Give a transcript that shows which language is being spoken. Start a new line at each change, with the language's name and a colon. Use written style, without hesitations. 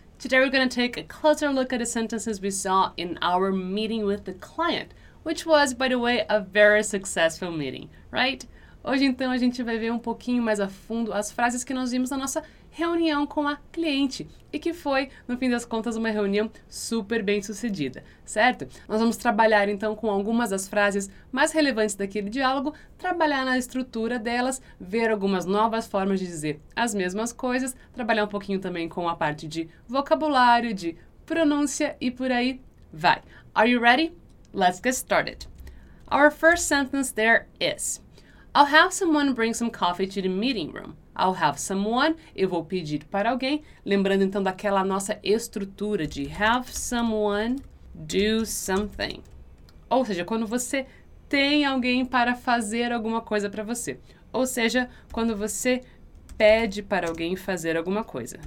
English: Today we're going to take a closer look at the sentences we saw in our meeting with the client, which was, by the way, a very successful meeting, right?
Portuguese: Hoje então a gente vai ver um pouquinho mais a fundo as frases que nós vimos na nossa reunião com a cliente e que foi, no fim das contas, uma reunião super bem sucedida, certo? Nós vamos trabalhar então com algumas das frases mais relevantes daquele diálogo, trabalhar na estrutura delas, ver algumas novas formas de dizer as mesmas coisas, trabalhar um pouquinho também com a parte de vocabulário, de pronúncia e por aí vai.
English: Are you ready? Let's get started. Our first sentence there is, I'll have someone bring some coffee to the meeting room. I'll have someone,
Portuguese: eu vou pedir para alguém, lembrando então daquela nossa estrutura de
English: have someone do something.
Portuguese: Ou seja, quando você tem alguém para fazer alguma coisa para você. Ou seja, quando você pede para alguém fazer alguma coisa.